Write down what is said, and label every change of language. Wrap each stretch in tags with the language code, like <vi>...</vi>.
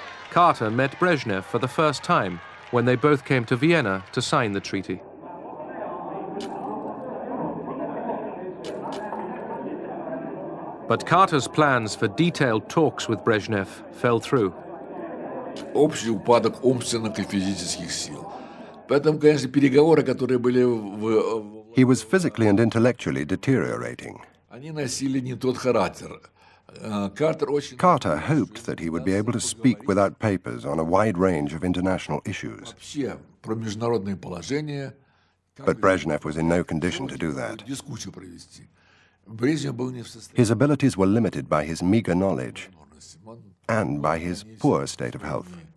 <en>Carter met Brezhnev for the first time when they both came to Vienna to sign the treaty. But Carter's plans for detailed talks with Brezhnev fell through.</en> <ru>Общий упадок умственных и физических сил. Поэтому, конечно, переговоры, которые были в...</ru> <en>He was physically and intellectually deteriorating.</en> <ru>Они носили не тот характер.</ru> <en>Carter hoped that he would be able to speak without papers on a wide range of international issues. But Brezhnev was in no condition to do that. His abilities were limited by his meager knowledge and by his poor state of health.</en>